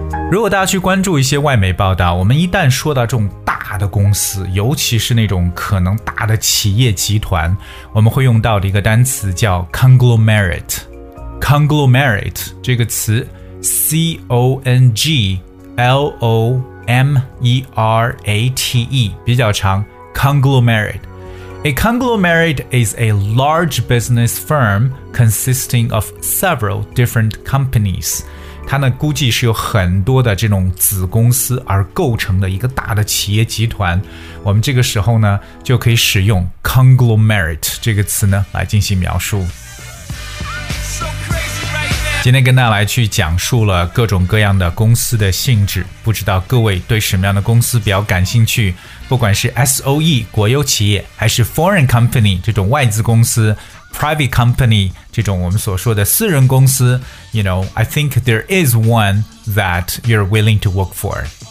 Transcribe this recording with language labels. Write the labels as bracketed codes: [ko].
[zh] 如果大家去关注一些外媒报道，我们一旦说到这种大的公司，尤其是那种可能大的企业集团，我们会用到的一个单词叫 conglomerate。 conglomerate 这个词 C-O-N-G-L-O-M-E-R-A-T-E 比较长， conglomerate。 [en] A conglomerate is a large business firm consisting of several different companies. [zh] 它呢估计是有很多的这种子公司而构成的一个大的企业集团，我们这个时候呢就可以使用 conglomerate 这个词呢来进行描述。今天跟大家来去讲述了各种各样的公司的性质，不知道各位对什么样的公司比较感兴趣，不管是 SOE 国有企业，还是 foreign company 这种外资公司， private company 这种我们所说的私人公司， [en] you know, I think there is one that you're willing to work for.